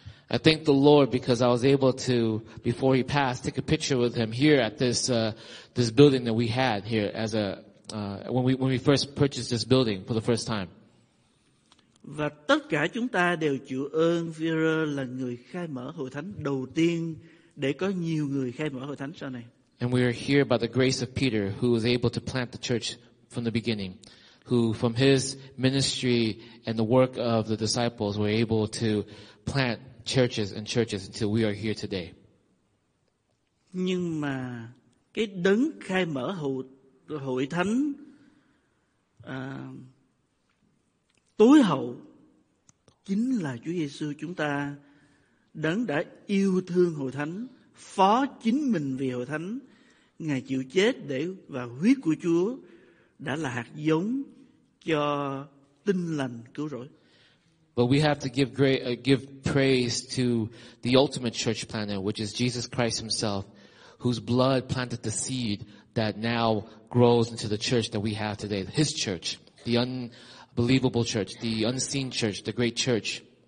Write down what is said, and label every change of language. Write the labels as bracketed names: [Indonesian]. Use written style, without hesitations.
[English] I thank the Lord because I was able to, before he passed, take a picture with him here at this this building that we had here as a when we first purchased this building for the first time. [Vietnamese] Và tất cả chúng ta đều chịu ơn Vera là người khai mở hội thánh đầu tiên để có nhiều người khai mở hội thánh sau này. [English] And we are here by the grace of Peter, who was able to plant the church from the beginning, who from his ministry and the work of the disciples were able to plant churches and churches until we are here today. [Vietnamese] Nhưng mà cái đấng khai mở hội thánh tối hậu chính là Chúa Giêsu chúng ta, đấng đã yêu thương hội thánh, phó chính mình vì hội thánh, Ngài chịu chết để và huyết của Chúa đã là hạt giống cho tinh lành cứu rỗi. [English] But we have to give praise to the ultimate church planter, which is Jesus Christ himself, whose blood planted the seed that now grows into the church that we have today, his church, the unbelievable church, the unseen church, the great church.